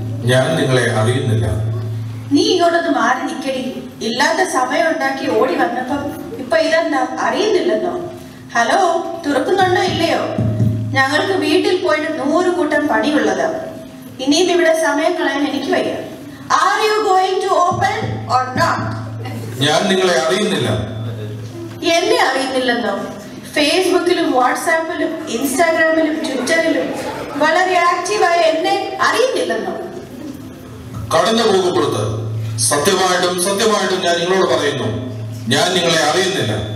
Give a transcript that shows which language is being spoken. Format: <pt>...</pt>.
<ml>ഞാൻ നിങ്ങളെ അറിയുന്നില്ല. നീ ഇങ്ങോട്ടൊന്ന് മാറി നിക്കടി. ഇല്ലാത്ത സമയം ഉണ്ടാക്കി ഓടി വന്നപ്പം ഇപ്പൊ ഇതെന്താ അറിയുന്നില്ലെന്നോ? ഹലോ തുറക്കുന്നുണ്ടോ ഇല്ലയോ? ഞങ്ങൾക്ക് വീട്ടിൽ പോയിട്ട് 100 കൂട്ടം പണിയുള്ളത്. ഇനിയും ഇവിടെ സമയം കളയാൻ എനിക്ക് വയ്യ.</ml> <en>Are you going to open or not?</en> <ml>ഞാൻ നിങ്ങളെ അറിയുന്നില്ല. എന്നെ അറിയുന്നില്ലെന്നോ? ഫേസ്ബുക്കിലും വാട്സാപ്പിലും ഇൻസ്റ്റാഗ്രാമിലും ട്വിറ്ററിലും വളരെ ആക്റ്റീവായ എന്നെ അറിയുന്നില്ലെന്നോ? കടന്നു പോകുമ്പോഴത്ത് സത്യമായിട്ടും സത്യമായിട്ടും ഞാൻ നിങ്ങളോട് പറയുന്നു, ഞാൻ നിങ്ങളെ അറിയുന്നില്ല.</ml>